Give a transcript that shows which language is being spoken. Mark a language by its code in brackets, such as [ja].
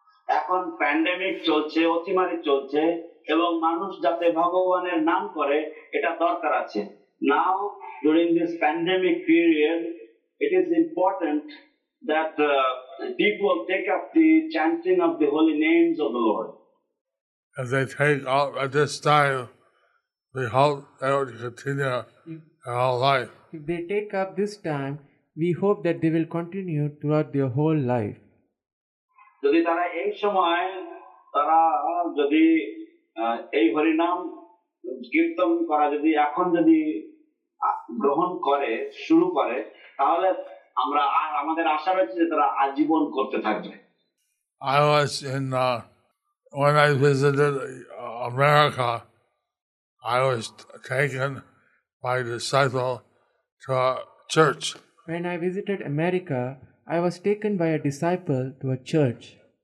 [bn] Ekhon pandemic cholche, otimari cholche, এবং মানুষ যাতে ভগবানের নাম করে এটা দরকার আছে। [en] Now during this pandemic period it is important that people take up the chanting of the holy names of the Lord. As they take up at this time, we hope they will continue their whole life. If they take up this time, we hope that they will continue throughout their whole life. [bn] যদি তারা এই সময় তারা যদি এই হরিনাম কীর্তন করা যদি এখন যদি গ্রহণ করে শুরু করে তাহলে আমরা আর আমাদের আশা রয়েছে যে তারা আজীবন করতে থাকবে। [en] I was in when I visited America, I was taken by a disciple to a church. When I visited America, I was taken by a disciple to a church.